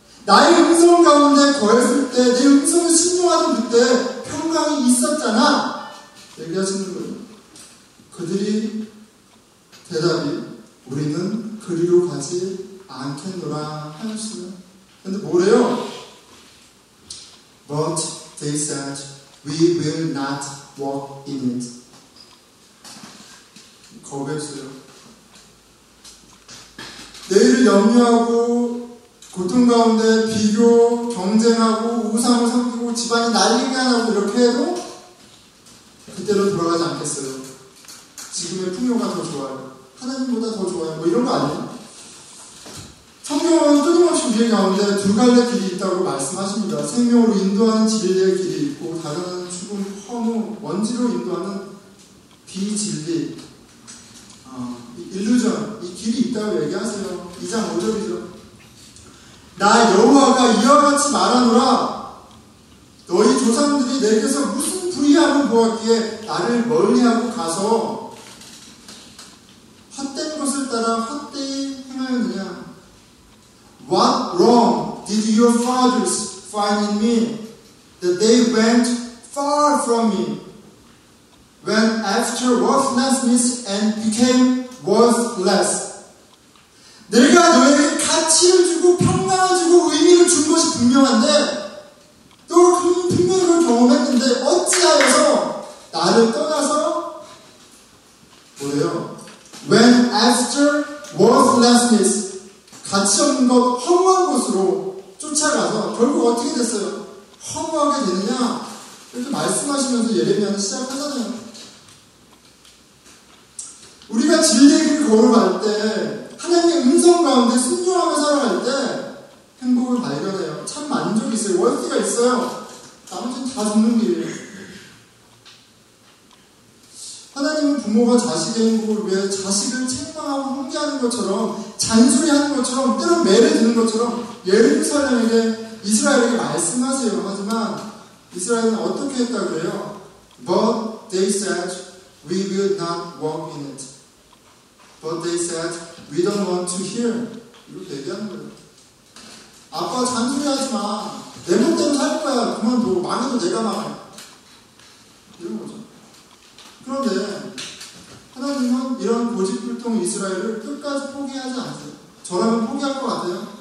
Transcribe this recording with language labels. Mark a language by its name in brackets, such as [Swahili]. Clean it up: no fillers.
[Korean] 나의 음성 가운데 거했을 때, 내 음성을 신중하던 그때 평강이 있었잖아. 얘기하시는 거예요. 그들이 대답이 우리는 그리로 가지 않겠노라 하였어요. 근데 뭐래요? [English] But they said, we will not walk in it. [Korean] 거부했어요. 내일을 염려하고 고통 가운데 비교, 경쟁하고 우상을 섬기고 집안이 난리가 나고 이렇게 해도 그때로 돌아가지 않겠어요. 지금의 풍요가 더 좋아요. 하나님보다 더 좋아요. 뭐 이런 거 아니에요? 성경은 끊임없이 우리 가운데 두 갈래 길이 있다고 말씀하십니다. 생명으로 인도하는 진리의 길이 있고 다가가는 죽음, 허무, 먼지로 인도하는 비진리, 일루전, 이 길이 있다고 얘기하세요. 2장 5절이죠. 나 여호와가 이와 같이 말하노라. 너희 조상들이 내게서 무슨 불의함을 보았기에 나를 멀리하고 가서 헛된 것을 따라 헛되이 행하였느냐. [English] What wrong did your fathers find in me that they went far from me, went after worthlessness and became worthless? [Korean] 내가 너에게 가치를 주고 평강을 주고 의미를 준 것이 분명한데 너 그 분명을 경험했는데 어찌하여서 나를 떠나서 뭐예요? [English] Went after worthlessness. [Korean] 가치 없는 것, 허무한 것으로 쫓아가서 결국 어떻게 됐어요? 허무하게 되느냐? 이렇게 말씀하시면서 예레미야는 시작하잖아요. 우리가 진리의 길을 걸어갈 때 하나님의 음성 가운데 순종하며 살아갈 때 행복을 발견해요. 참 만족이 있어요. 월드가 있어요. 나머지는 다 죽는 길이에요. 하나님은 부모가 자식의 행복을 위해 자식을 책망하고 훈계하는 것처럼 잔소리하는 것처럼 때로 매를 드는 것처럼 예루살렘에게 이스라엘에게 말씀하세요. 하지만 이스라엘은 어떻게 했다고 그래요? [English] But they said we will not walk in it. But they said we don't want to hear. [Korean] 이렇게 얘기하는 거예요. 아빠 잔소리하지 마. 내 멋대로 살 거야. 그만둬. 망해도 내가 망해. 이런 거죠. 그런데 하나님은 이런 고집불통 이스라엘을 끝까지 포기하지 않으세요. 저라면 포기할 것 같아요.